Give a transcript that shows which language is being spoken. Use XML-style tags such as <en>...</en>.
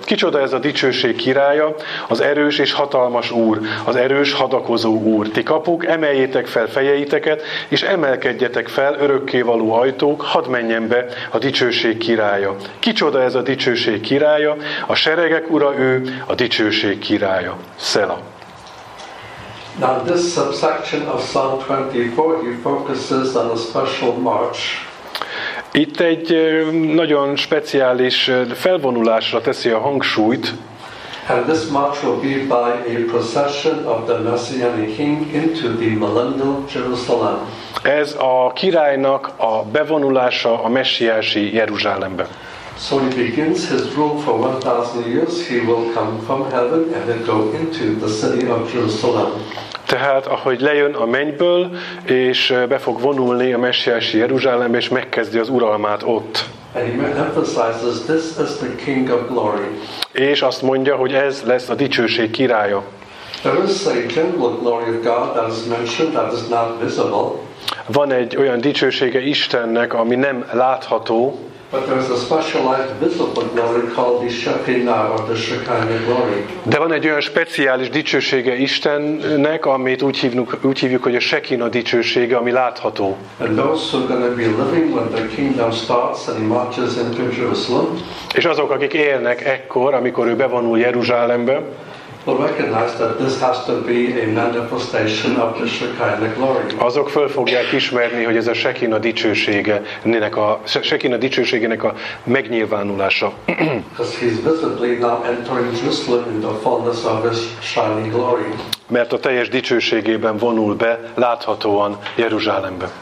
<hu>Kicsoda ez a dicsőség királya? Az erős és hatalmas Úr, az erős hadakozó Úr. Ti kapuk, emeljétek fel fejeiteket, és emelkedjetek fel, örökkévaló ajtók, hadd menjen be a dicsőség királya. Kicsoda ez a dicsőség királya? A seregek ura ő, a dicsőség királya. Szela.</hu> <en>Now this subsection of Psalm 24 focuses on a special march.</en> <hu>Itt egy nagyon speciális felvonulásra teszi a hangsúlyt.</hu> <en>And this march will be by a procession of the Messianic King into the millennial Jerusalem.</en> <hu>Ez a királynak a bevonulása a messiási Jeruzsálembe.</hu> <en>So he begins his rule for 1,000 years. He will come from heaven and then go into the city of Jerusalem.</en> <hu>Tehát, ahogy lejön a mennyből, és be fog vonulni a messiási Jeruzsálembe, és megkezdi az uralmát ott.</hu> <en>And he emphasizes, this is the King of Glory.</en> <hu>És azt mondja, hogy ez lesz a dicsőség királya.</hu> <en>There is a general glory of God that is mentioned that is not visible.</en> <hu>van egy olyan dicsősége Istennek, ami nem látható.</hu> <en>But there is a special light visible glory called the Shekinah or the Shekinah glory.</en> <hu>De van egy olyan speciális dicsősége Istennek, amit úgy hívjuk, hogy a Shekinah dicsősége, ami látható.</hu> <en>And those who are going to be living when the kingdom starts and he marches into Jerusalem.</en> <hu>És azok, akik élnek ekkor, amikor ő bevonul Jeruzsálembe.</hu> <en>Will recognize that this has to be a manifestation of the Shekinah glory.</en> <hu>Azok föl fogják ismerni, hogy ez a Shekinah dicsősége, a Shekinah dicsőségének a megnyilvánulása.</hu> <en>Because he's visibly now entering Jerusalem in the fullness of his shining glory.</en> <hu>Mert a teljes dicsőségében vonul be láthatóan Jeruzsálembe.</hu>